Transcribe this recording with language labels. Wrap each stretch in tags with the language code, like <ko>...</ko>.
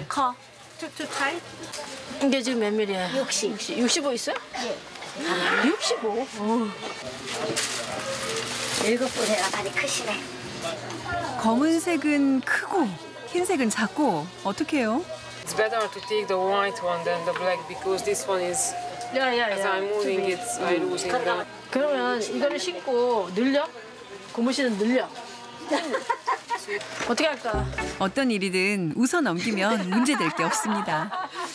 <ko>커.</ko> <en>투 타이트?</en> <ko>이게 지금 몇 미리야? 60. 65 있어요? 예. 65? 일곱 분이라 다리 크시네. 검은색은 크고 흰색은 작고 어떡해요?</ko> <en>It's better to take the white one than the black because this one is yeah. As I'm moving it, I lose it.</en> <ko>그러면 이거를 신고 늘려? 고무신은 늘려? 어떻게 할까? 어떤 일이든 웃어 넘기면 문제 될 게 없습니다.</ko>